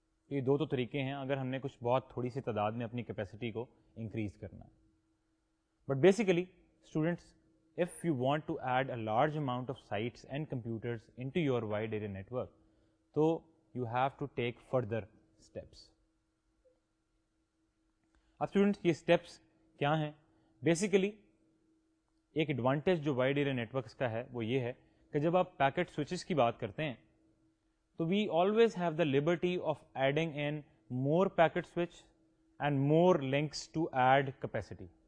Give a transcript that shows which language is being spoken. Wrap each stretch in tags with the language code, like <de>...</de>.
<ur>یہ دو تو طریقے ہیں اگر ہم نے کچھ بہت تھوڑی سی تعداد میں اپنی کیپیسٹی کو انکریز کرنا ہے.</ur> <en>But basically students if you want to add a large amount of sites and computers into your wide area network, so you have to take further steps. Our students, these steps, kya hai?</en> <ur>Basically, ایک advantage جو wide area networks کا ہے وہ یہ ہے کہ جب آپ پیکٹ سوئچز کی بات کرتے ہیں تو</ur> <en>We always have the liberty of adding in more packet switch and more links to add capacity.</en>